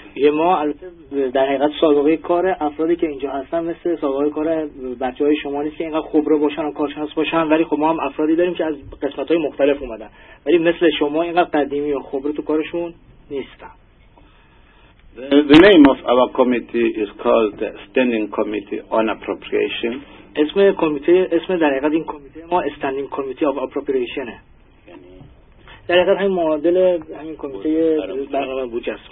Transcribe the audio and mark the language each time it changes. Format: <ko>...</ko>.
<fa>یه ما البته در حقیقت سابقه کار افرادی که اینجا هستن مثل سابقه کار بچه های شما نیست که اینقدر خبره باشن و کارشناس باشن، ولی خب ما هم افرادی داریم که از قسمت های مختلف اومدن ولی مثل شما اینقدر قدیمی و خبره تو کارشون نیستن.</fa> <en>The name of our committee is called the Standing Committee on Appropriations.</en> <fa>اسم در حقیقت این کمیته ما Standing Committee of Appropriations. در حقیقت همین معادل همین کمیته برنامه بودجه است.</fa>